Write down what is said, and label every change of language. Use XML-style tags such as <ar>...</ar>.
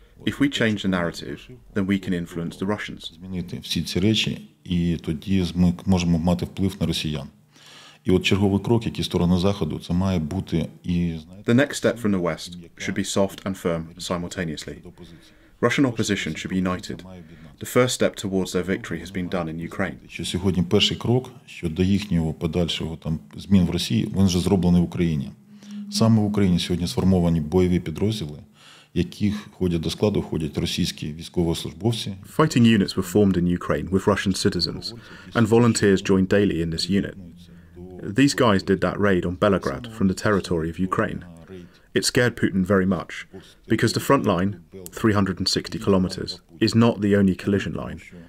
<en>If we change the narrative, then we can influence the Russians.</en> <uk>Змінити всі ці речі, і тоді ми можемо мати вплив на росіян. І от черговий крок, який сторона Заходу, це має бути і.</uk> <en>The next step from the West should be soft and firm simultaneously. Russian opposition should be united. The first step towards their victory has been done in Ukraine.</en> <uk>Що сьогодні перший крок щодо їхнього подальшого там змін в Росії, він вже зроблений в Україні. Саме в Україні сьогодні сформовані бойові підрозділи, яких ходять до складу входять російські військовослужбовці.</uk> <en>Fighting units were formed in Ukraine with Russian citizens, and volunteers joined daily in this unit. these guys did that raid on Belgrad from the territory of Ukraine. It scared Putin very much, because the front line, 360 kilometers, is not the only collision line.</en>